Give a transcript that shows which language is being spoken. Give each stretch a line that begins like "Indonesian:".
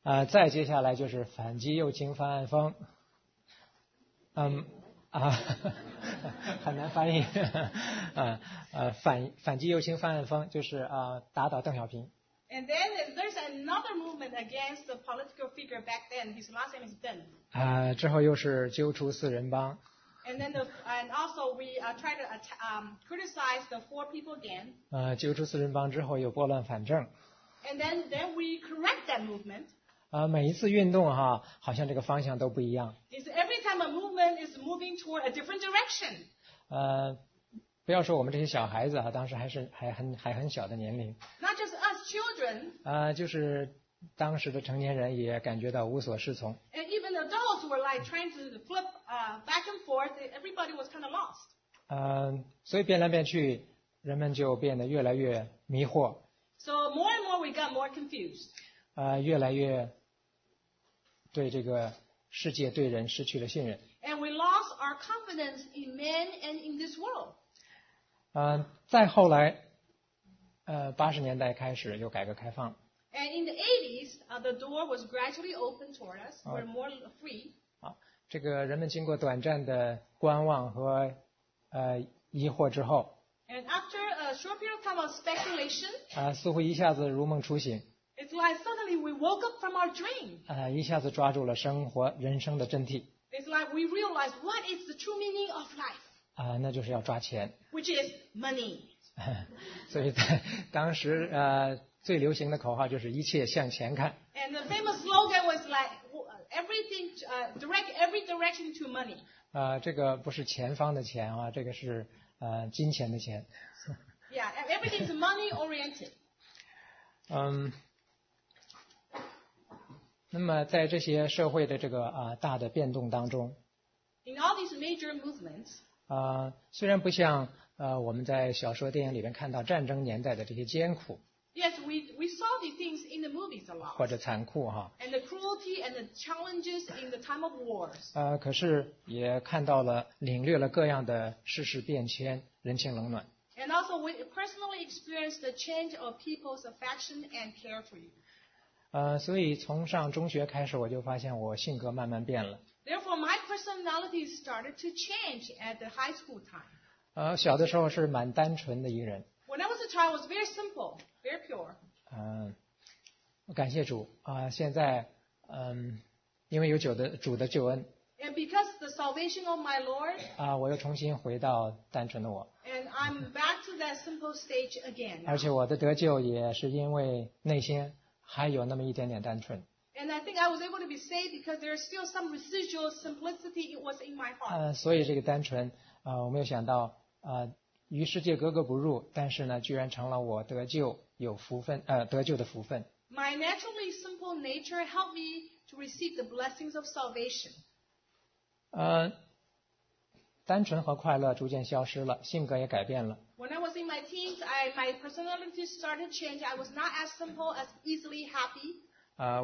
Chinese: 再接下来就是反击右倾翻案风，很难翻译，反击右倾翻案风就是打倒邓小平。
English: And then there's another movement against the political figure back then. His last name is Deng.
Chinese: 之后又是揪出四人帮。
English: And also we try to criticize the four people again.
Chinese: 揪出四人帮之后又拨乱反正。
English: And then we correct that movement.
Chinese: 每一次运动哈，好像这个方向都不一样。
English: It's every time a movement is moving toward a different direction.
Chinese: 不要说我们这些小孩子啊，当时还很小的年龄。
English: Not just us children.
Chinese: 就是当时的成年人也感觉到无所适从。
English: And even adults were like trying to flip back and forth. Everybody was kind of lost.
Chinese: 所以变来变去，人们就变得越来越迷惑。
English: So more and more we got more confused.
Chinese: 越来越对这个世界对人失去了信任。
English: And we lost our confidence in men and in this world.
Chinese: 再后来80年代开始又改革开放。
English: And in the 80s, the door was gradually opened toward us. We're more free.
Chinese: 这个人们经过短暂的观望和疑惑之后。
English: And after a short period of time of speculation,
Chinese: 似乎一下子如梦初醒。
English: It's like suddenly we woke up from our dream.
Chinese: 一下子抓住了生活人生的真谛。
English: It's like we realize what is the true meaning of life.
Chinese: 那就是要抓钱。
English: Which is money.
Chinese: 所以当时最流行的口号就是一切向前看。
English: And the famous slogan was like everything direct every direction to money.
Chinese: 这个不是前方的钱啊，这个是金钱的钱。
English: Yeah, everything is money oriented.
Chinese: 那么在这些社会的这个大的变动当中
English: In all these major movements,
Chinese: 虽然不像我们在小说电影里面看到战争年代的这些艰苦
English: Yes, we saw these things in the movies a lot
Chinese: 或者残酷哈
English: And the cruelty and the challenges in the time of wars
Chinese: 可是也看到了领略了各样的世事变迁人情冷暖
English: And also we personally experienced the change of people's affection and care for you
Chinese: 所以从上中学开始我就发现我性格慢慢变了。
English: Therefore, my personality started to change at the high school time.
Chinese: 小的时候是蛮单纯的一人。
English: When I was a child, I was very simple, very pure.
Chinese: 感谢主现在因为有主的救恩。
English: And because the salvation of my Lord,
Chinese: 我又重新回到单纯的我。
English: And I'm back to that simple stage again.
Chinese: 而且我的得救也是因为内心。还有那么一点点单纯。
English: And I think I was able to be saved because there's still some residual simplicity it was in my heart.
Chinese: 所以这个单纯我没有想到与世界格格不入但是呢居然成了我得救有福分得救的福分。
English: My naturally simple nature helped me to receive the blessings of salvation.
Chinese: 单纯和快乐逐渐消失了性格也改变了。
English: When I was in my teens, my personality started to change. I was not as simple as easily happy.